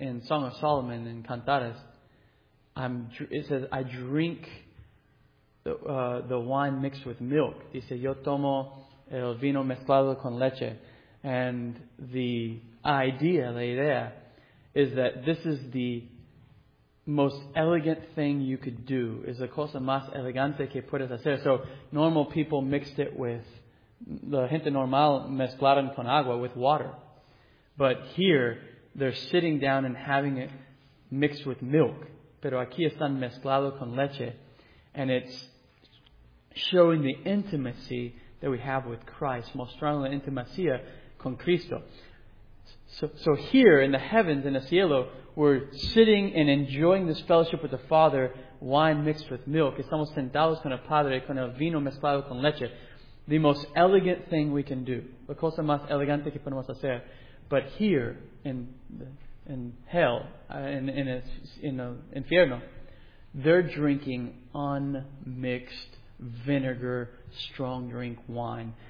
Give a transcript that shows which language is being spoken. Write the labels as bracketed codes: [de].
[en] In Song of Solomon, in Cantares, it says, I drink the wine mixed with milk. [es] Dice, yo tomo el vino mezclado con leche. [en] And the idea, la idea, is that this is the most elegant thing you could do. [es] Es la cosa más elegante que puedes hacer. [en] So normal people mixed it with, [es] la gente normal mezclaron con agua, [en] with water. But here, they're sitting down and having it mixed with milk. [es] Pero aquí están mezclado con leche. [en] And it's showing the intimacy that we have with Christ. [es] Mostrando la intimacia con Cristo. [en] So here in the heavens, in the cielo, we're sitting and enjoying this fellowship with the Father, wine mixed with milk. [es] Estamos sentados con el Padre, con el vino mezclado con leche. [en] The most elegant thing we can do. [es] La cosa más elegante que podemos hacer. [en] But here, in hell, in infierno, they're drinking unmixed vinegar, strong drink wine.